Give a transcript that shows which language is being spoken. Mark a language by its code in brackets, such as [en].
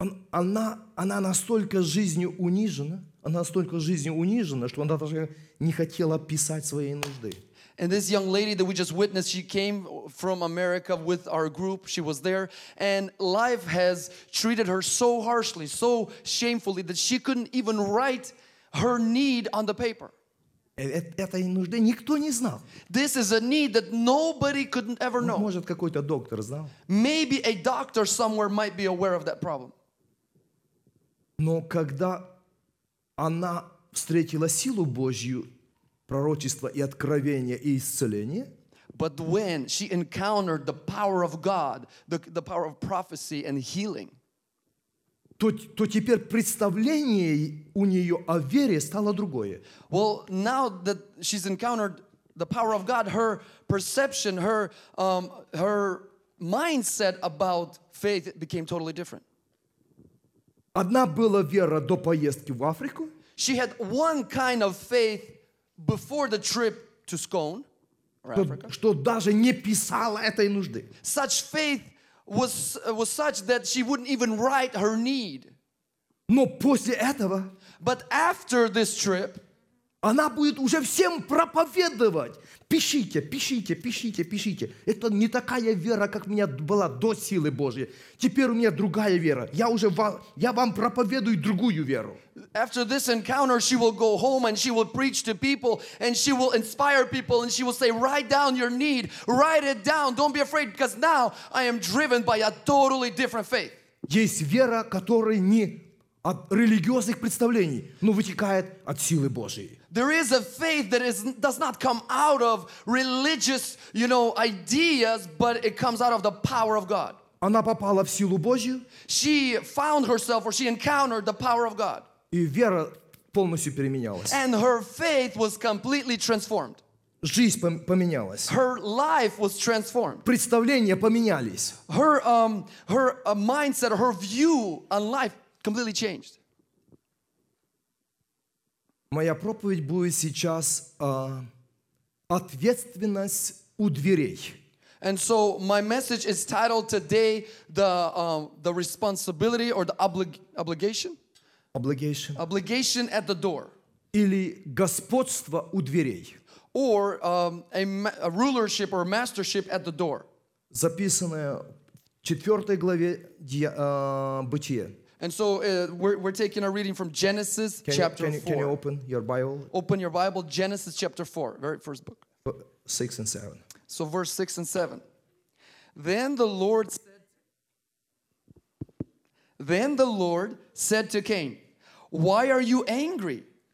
[ru] Она настолько жизнью унижена, что она даже не хотела писать свои нужды. [en] And this young lady that we just witnessed, she came from America with our group. She was there, and life has treated her so harshly, so shamefully that she couldn't even write her need on the paper. [ru] Этой нужды никто не знал. [en] This is a need that nobody could ever know. [ru] Может, какой-то доктор знал? [en] Maybe a doctor somewhere might be aware of that problem. [ru] Но когда она встретила силу Божью, пророчество и откровение и исцеление, [en] but when she encountered the power of God, the power of prophecy and healing, [ru] то теперь представление у нее о вере стало другое. [en] Well, now that she's encountered the power of God, her perception, her mindset about faith became totally different. [ru] Одна была вера до поездки в Африку. [en] She had one kind of faith before the trip to Scone, or Africa. [ru] Что даже не писала этой нужды. [en] Such faith was such that she wouldn't even write her need. [ru] Но после этого, [en] but after this trip, [ru] Она будет уже всем проповедовать. Пишите, пишите, пишите, пишите. Это не такая вера, как у меня была до силы Божьей. Теперь у меня другая вера. Я вам проповедую другую веру. [en] After this encounter, she will go home and she will preach to people and she will inspire people and she will say, write down your need, write it down. Don't be afraid, because now I am driven by a totally different faith. [ru] Есть вера, которая не от религиозных представлений, но вытекает от силы Божьей. [en] There is a faith that does not come out of religious, you know, ideas, but it comes out of the power of God. [ru] Она попала в силу Божью. [en] She found herself, or she encountered the power of God. [ru] И вера полностью переменялась. [en] And her faith was completely transformed. [ru] Жизнь поменялась. [en] Her life was transformed. [ru] Представления поменялись. [en] Her mindset, her view on life completely changed. [ru] Моя проповедь будет сейчас «Ответственность у дверей». [en] And so my message is titled today the responsibility or the obligation? Obligation. Obligation at the door. [ru] Или господство у дверей. [en] Or a rulership or mastership at the door. [ru] Записанное в 4 главе Бытия. [en] And so we're taking a reading from Genesis chapter 4. Can you open your Bible? Open your Bible, Genesis chapter 4, very first book. 6 and 7. So verse 6 and 7. Then the Lord said to Cain, why are you angry?